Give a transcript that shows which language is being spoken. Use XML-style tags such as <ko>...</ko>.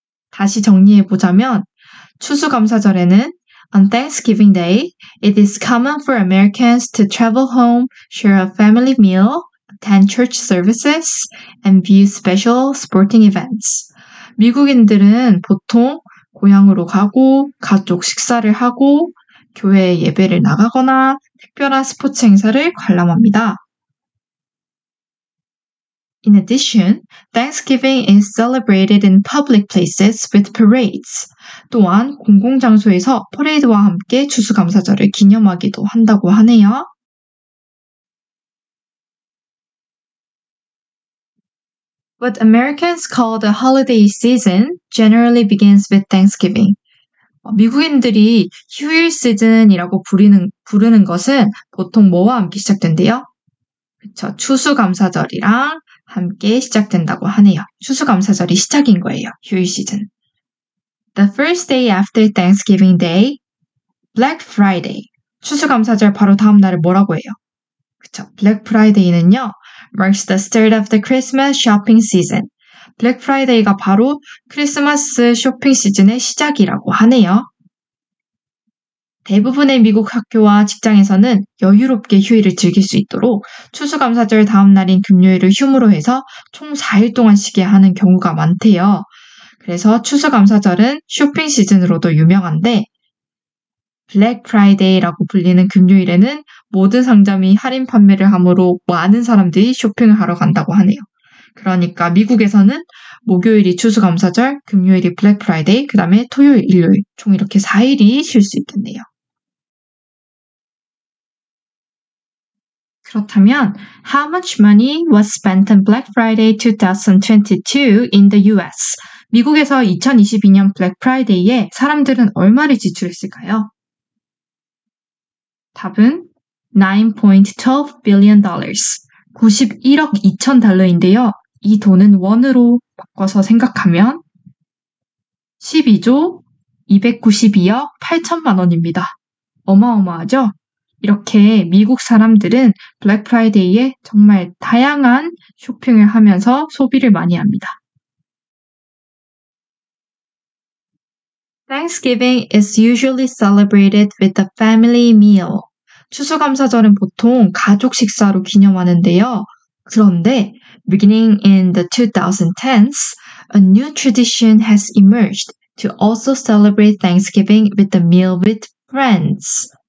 <ko>다시 정리해보자면, 추수감사절에는</ko> <en>On Thanksgiving Day, it is common for Americans to travel home, share a family meal, attend church services, and view special sporting events.</en> <ko>미국인들은 보통 고향으로 가고, 가족 식사를 하고, 교회 예배를 나가거나 특별한 스포츠 행사를 관람합니다.</ko> <en>In addition, Thanksgiving is celebrated in public places with parades.</en> <ko>또한 공공장소에서 퍼레이드와 함께 추수감사절을 기념하기도 한다고 하네요.</ko> <en>What Americans call the holiday season generally begins with Thanksgiving.</en> <ko>미국인들이 휴일 시즌이라고 부르는 것은 보통 뭐와 함께 시작된대요? 그쵸. 추수감사절이랑 함께 시작된다고 하네요. 추수감사절이 시작인 거예요. 휴일 시즌.</ko> <en>The first day after Thanksgiving Day, Black Friday.</en> <ko>추수감사절 바로 다음 날을 뭐라고 해요? 그쵸.</ko> <en>Black Friday는요, marks the start of the Christmas shopping season.</en> <ko>블랙 프라이데이가 바로 크리스마스 쇼핑 시즌의 시작이라고 하네요. 대부분의 미국 학교와 직장에서는 여유롭게 휴일을 즐길 수 있도록 추수감사절 다음 날인 금요일을 휴무로 해서 총 4일 동안 쉬게 하는 경우가 많대요. 그래서 추수감사절은 쇼핑 시즌으로도 유명한데, 블랙 프라이데이라고 불리는 금요일에는 모든 상점이 할인 판매를 함으로 많은 사람들이 쇼핑을 하러 간다고 하네요. 그러니까 미국에서는 목요일이 추수감사절, 금요일이 블랙 프라이데이, 그 다음에 토요일, 일요일, 총 이렇게 4일이 쉴수 있겠네요. 그렇다면,</ko> <en>How much money was spent on Black Friday 2022 in the US?</en> <ko>미국에서 2022년 블랙 프라이데이에 사람들은 얼마를 지출했을까요? 답은</ko> <en>9.12 billion dollars.</en> <ko>91억 2천 달러인데요. 이 돈은 원으로 바꿔서 생각하면 12조 292억 8천만 원입니다. 어마어마하죠? 이렇게 미국 사람들은 블랙 프라이데이에 정말 다양한 쇼핑을 하면서 소비를 많이 합니다.</ko> <en>Thanksgiving is usually celebrated with a family meal.</en> <ko>추수감사절은 보통 가족 식사로 기념하는데요. 그런데</ko> <en>Beginning in the 2010s, a new tradition has emerged to also celebrate Thanksgiving with a meal with friends.</en>